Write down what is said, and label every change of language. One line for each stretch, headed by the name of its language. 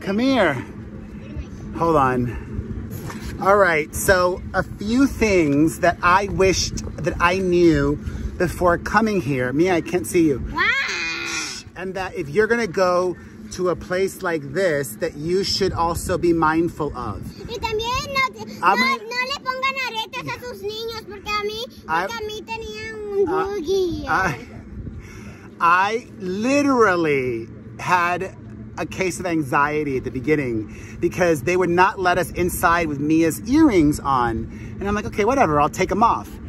English: Come here. Hold on. All right, so a few things that I wished that I knew before coming here. Mia, I can't see you. Wow. And that if you're gonna go to a place like this, that you should also be mindful of.
Spanish: Y también no le pongan aretes a sus niños porque a mí tenía un boogie.
English: I literally had a case of anxiety at the beginning because they would not let us inside with Mia's earrings on. And I'm like, okay, whatever, I'll take them off.